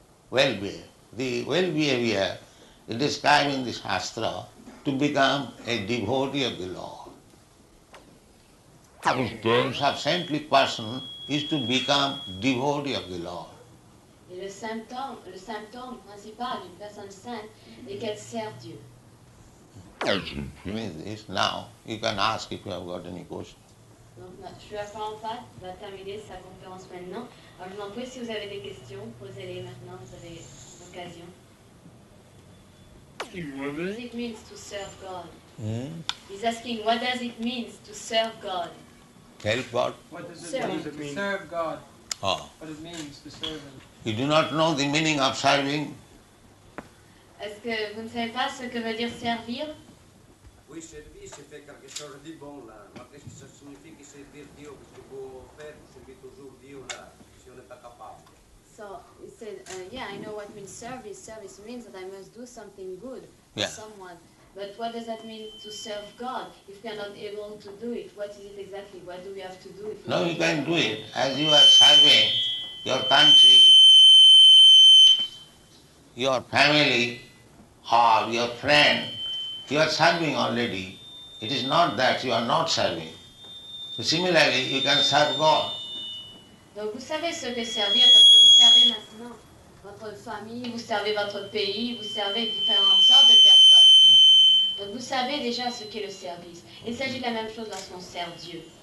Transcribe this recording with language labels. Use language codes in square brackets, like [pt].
[en] Well-behaved. The well-behavior is described in the Shastra to become a devotee of the Lord. The purpose of saintly person is to become devotee of the Lord. [fr] Et le symptôme principal d'une personne sainte est qu'elle sert Dieu. [en] Means now you can ask if you have got any questions. [fr] Donc, je vais va terminer sa conférence maintenant. Alors, je m'en prie, si vous avez des questions, posez-les maintenant, vous avez l'occasion. [en] What does it mean to serve God? Hmm? He's asking, what does it mean to serve God? Help God? What does it mean to serve God? Oh. What it means to serve Him? You do not know the meaning of serving? [fr] Est-ce que vous ne savez pas ce que veut dire servir? Oui, servir, c'est faire quelque chose de bon là. Mais qu'est-ce que ça signifie que servir Dieu? Parce que vous faites, vous servez toujours Dieu là, si on n'est pas capable. [en] So, he said, yeah, I know what means service. Service means that I must do something good for someone. But what does that mean to serve God? If we are not able to do it, what is it exactly? What do we have to do? If no, you can do it as you are serving your country, your family, or your friend. You are serving already. It is not that you are not serving. So similarly, you can serve God. [fr] Donc vous savez ce que servir parce que vous servez maintenant votre famille, vous servez votre pays, vous servez différentes sortes de personnes. Donc vous savez déjà ce qu'est le service. Il s'agit de la même chose lorsqu'on sert Dieu.